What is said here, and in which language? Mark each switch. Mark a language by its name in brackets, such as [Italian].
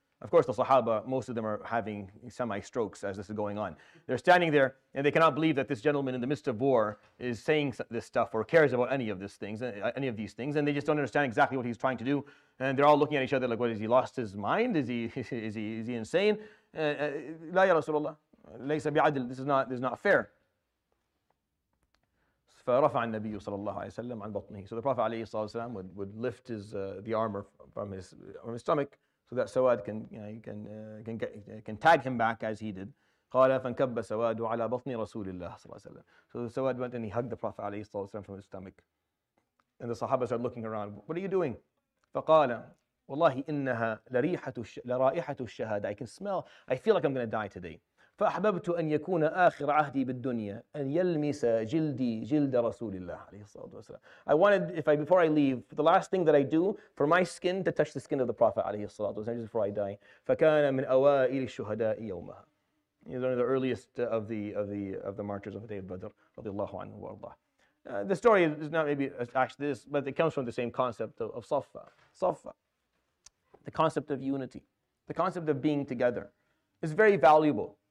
[English] Of course, the Sahaba, most of them are having semi-strokes as this is going on. They're standing there, and they cannot believe that this gentleman in the midst of war is saying this stuff or cares about any of these things, and they just don't understand exactly what he's trying to do. And they're all looking at each other like, what, has he lost his mind? Is he insane? [Arabic] لا يا رسول الله, ليس بعدل, [English] this is not fair. [Arabic] فرفع النبي صلى الله عليه وسلم عن بطنه. [English] So the Prophet [Arabic] عليه الصلاة والسلام [English] would lift the armor from his stomach so that Sawad can tag him back as he did. [Arabic] قال فانكب سواد على بطن رسول الله صلى الله عليه وسلم. [English] So Sawad went and he hugged the Prophet [Arabic] عليه الصلاة والسلام [English] from his stomach. And the Sahaba started looking around. What are you doing? [Arabic] فقال والله إنها لرائحة الشهادة. [English] I can smell. I feel like I'm going to die today. [Arabic] فأحببت أن يكون آخر عهدي بالدنيا أن يلمس جلدي جلد رسول الله عليه الصلاة والسلام. [English] I wanted, before I leave, the last thing that I do for my skin to touch the skin of the Prophet [Arabic] عليه الصلاة والسلام [English] just before I die. [Arabic] فكان من أوائل الشهداء يومها. [English] He's one of the earliest of the martyrs of the day of Badr [Arabic] رضي الله عنه وارضاه. [English] The story is not maybe actually this, but it comes from the same concept of Safa. Safa, the concept of unity, the concept of being together, is very valuable.